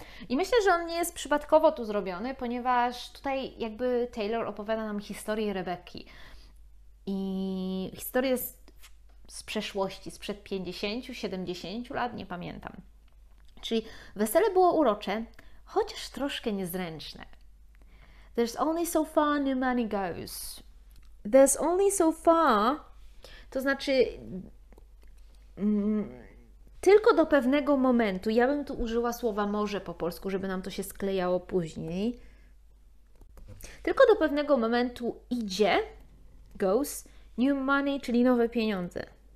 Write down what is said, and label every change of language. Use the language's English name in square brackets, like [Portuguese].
[Polish] I myślę, że on nie jest przypadkowo tu zrobiony, ponieważ tutaj jakby Taylor opowiada nam historię Rebeki. I historia jest z przeszłości, sprzed 50, 70 lat, nie pamiętam. Czyli wesele było urocze, chociaż troszkę niezręczne. [English] There's only so far new money goes. There's only so far, [Polish] to znaczy tylko do pewnego momentu. Ja bym tu użyła słowa może po polsku, żeby nam to się sklejało później. Tylko do pewnego momentu idzie, goes, [English] new money, [Polish] czyli nowe pieniądze.